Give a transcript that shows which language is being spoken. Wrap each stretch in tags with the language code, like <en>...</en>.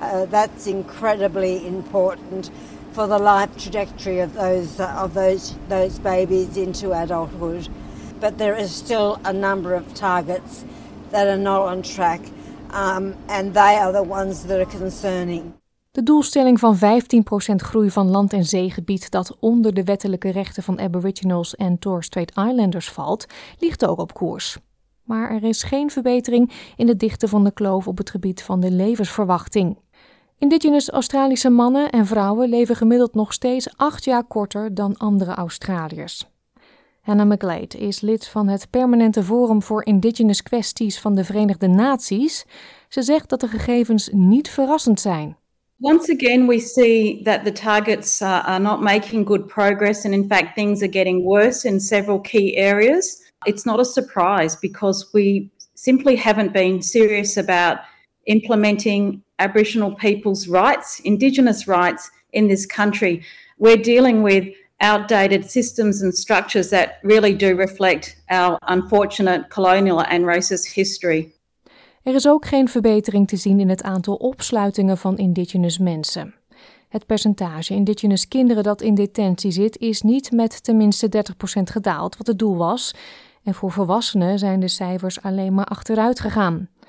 <en>That's incredibly important for the life trajectory of those babies into adulthood. but there is still a number of targets that are not on track, and they are the ones that are concerning.</en> <nl>De doelstelling van 15% groei van land- en zeegebied dat onder de wettelijke rechten van Aboriginals en Torres Strait Islanders valt, ligt ook op koers. Maar er is geen verbetering in de dichte van de kloof op het gebied van de levensverwachting. Indigenous Australische mannen en vrouwen leven gemiddeld nog steeds 8 jaar korter dan andere Australiërs. Hannah McGlade is lid van het Permanente Forum voor Indigenous Kwesties van de Verenigde Naties. Ze zegt dat de gegevens niet verrassend zijn.</nl> <en>Once again, we see that the targets are not making good progress, and in fact, things are getting worse in several key areas. It's not a surprise because we simply haven't been serious about implementing Aboriginal people's rights, Indigenous rights in this country. We're dealing with outdated systems and structures that really do reflect our unfortunate colonial and racist history.</en> <nl>Er is ook geen verbetering te zien in het aantal opsluitingen van Indigenous mensen. Het percentage Indigenous kinderen dat in detentie zit is niet met tenminste 30% gedaald, wat het doel was. En voor volwassenen zijn de cijfers alleen maar achteruit gegaan.</nl>